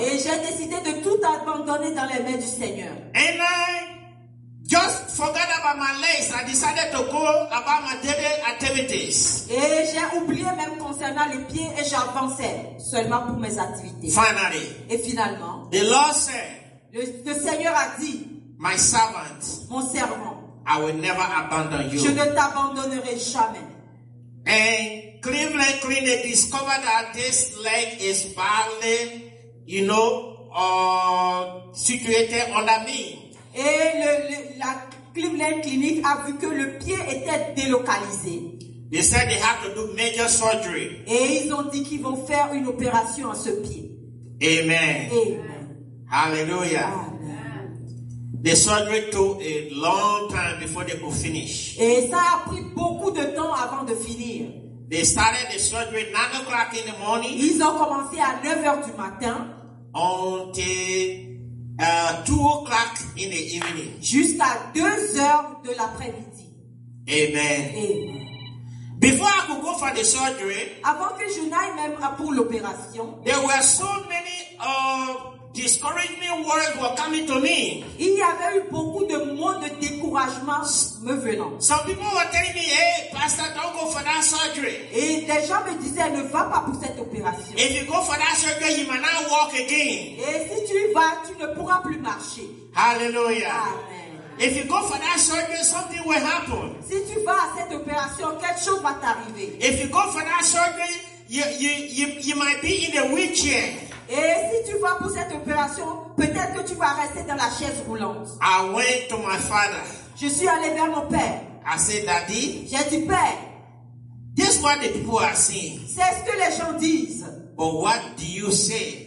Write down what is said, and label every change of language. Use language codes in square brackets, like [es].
[fr] Et j'ai décidé de tout abandonner dans les mains du Seigneur. [en] And I just forgot about my legs. I decided to go about my daily activities. [fr] Et j'ai oublié même concernant le pied et j'avançais seulement pour mes activités. [en] Finally. [fr] Et finalement. [en] The Lord said. [fr] Le Seigneur a dit. [en] My servant. [fr] Mon servant. [en] I will never abandon you. [fr] Je ne t'abandonnerai jamais. [en] And Cleveland Clinic discovered that this leg is badly, you know, situated under me. [fr] Et la Cleveland Clinic a vu que le pied était délocalisé. [en] They said they have to do major surgery. [fr] Et ils ont dit qu'ils vont faire une opération à ce pied. [en] Amen. [fr] Amen. [en] Hallelujah. The surgery took a long time before they could finish. [fr] Et ça a pris beaucoup de temps avant de finir. [en] They started the surgery 9:00 in the morning. [fr] Ils ont commencé à 9:00 du matin. [en] Until 2 o'clock in the evening. [fr] Jusqu'à 2 heures de l'après-midi. [en] Amen. [fr] Amen. [en] Before I could go for the surgery, [fr] avant que je n'aille même pour l'opération, [en] there were so many discouraging words were coming to me. [fr] Il y avait eu beaucoup de mots de découragement me venant. [en] Some people were telling me, "Hey, Pastor, don't go for that surgery." [fr] Et des gens me disaient, "Ne va pas pour cette opération." [en] If you go for that surgery, you might not walk again. [fr] Et si tu y vas, tu ne pourras plus marcher. [en] Hallelujah. Amen. If you go for that surgery, something will happen. [fr] Si tu vas à cette opération, quelque chose va t'arriver. [en] If you go for that surgery, you might be in a wheelchair. [fr] Et si tu vas pour cette opération, peut-être que tu vas rester dans la chaise roulante. [en] I went to my father. [fr] Je suis allé vers mon père. [en] I said, "Daddy." [fr] J'ai dit, père. [en] This is what the people are saying. [fr] C'est ce que les gens disent. [en] But what do you say?